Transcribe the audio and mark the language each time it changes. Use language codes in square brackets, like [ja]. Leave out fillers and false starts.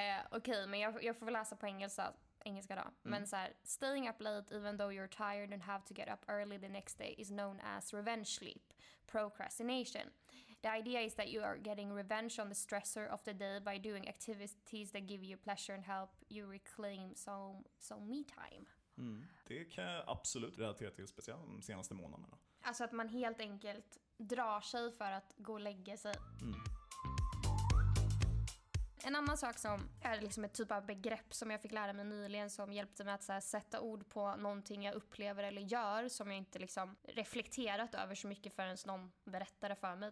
[sv] Okej, men jag får väl läsa på engelska då. Mm. Men så här, [en] staying up late even though you're tired and have to get up early the next day is known as revenge sleep procrastination. The idea is that you are getting revenge on the stressor of the day by doing activities that give you pleasure and help you reclaim some me time. Mm. [sv] Det kan jag absolut relatera till, speciellt de senaste månaderna. Alltså att man helt enkelt drar sig för att gå och lägga sig. Mm. En annan sak som är liksom ett typ av begrepp som jag fick lära mig nyligen som hjälpte mig att så här sätta ord på någonting jag upplever eller gör som jag inte liksom reflekterat över så mycket förrän någon berättade för mig.